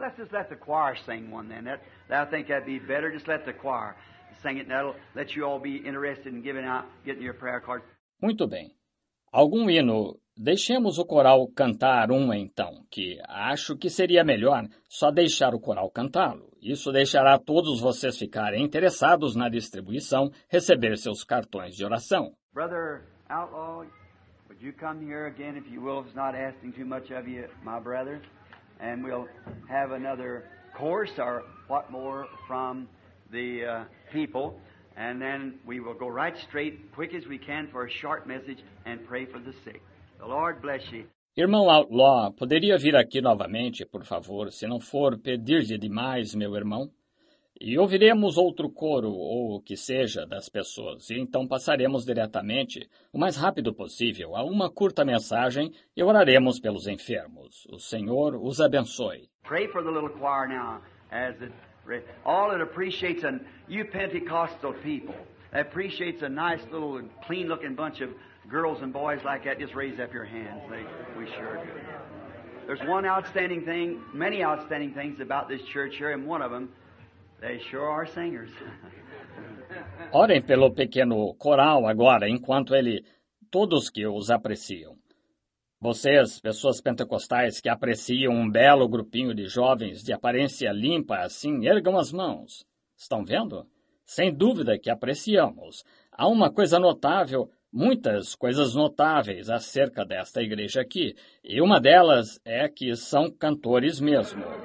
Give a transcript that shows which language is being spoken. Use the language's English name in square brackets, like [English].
[English] Let's just let the choir sing one then. I think that'd be better. Just let the choir sing it, and that'll let you all be interested in giving out, getting your prayer card. [Portuguese] Muito bem. Algum hino. Deixemos o coral cantar um, então, que acho que seria melhor só deixar o coral cantá-lo. Isso deixará todos vocês ficarem interessados na distribuição, receber seus cartões de oração. [English] Brother Outlaw, would you come here again, if you will, if it's not asking too much of you, my brother, and we'll have another course or what more from the people, and then we will go right straight, quick as we can, for a short message and pray for the sick. The Lord bless you. [Portuguese] Irmão Outlaw, poderia vir aqui novamente, por favor, se não for pedir demais, meu irmão? E ouviremos outro coro, ou o que seja, das pessoas, e então passaremos diretamente, o mais rápido possível, a uma curta mensagem e oraremos pelos enfermos. O Senhor os abençoe. [English] Pray for the little choir now, as it... All it appreciates, and you Pentecostal people, appreciates a nice little clean-looking bunch of girls and boys like that. Just raise up your hands. We sure do. There's one outstanding thing, many outstanding things about this church here, and one of them, they sure are singers. [Portuguese] Orem pelo pequeno coral agora, enquanto ele, todos que os apreciam. Vocês, pessoas pentecostais que apreciam um belo grupinho de jovens de aparência limpa, assim, ergam as mãos. Estão vendo? Sem dúvida que apreciamos. Há uma coisa notável, muitas coisas notáveis acerca desta igreja aqui, e uma delas é que são cantores mesmo.